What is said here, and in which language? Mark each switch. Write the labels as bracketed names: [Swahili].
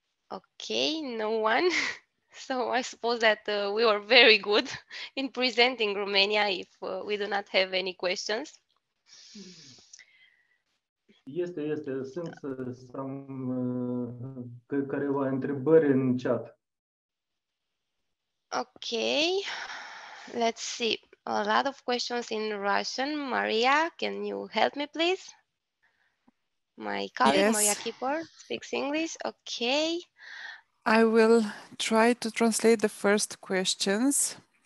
[English] Okay, no one. So I suppose that we were very good in presenting Romania if we do not have any questions. [Romanian] Este, este. Sunt [English] some [Romanian] careva întrebări în chat. [English] Okay, let's see. A lot of questions in Russian. Maria, can you help me, please? My colleague, yes. Maria Kipor, speaks English. Okay. I will try to translate the first questions.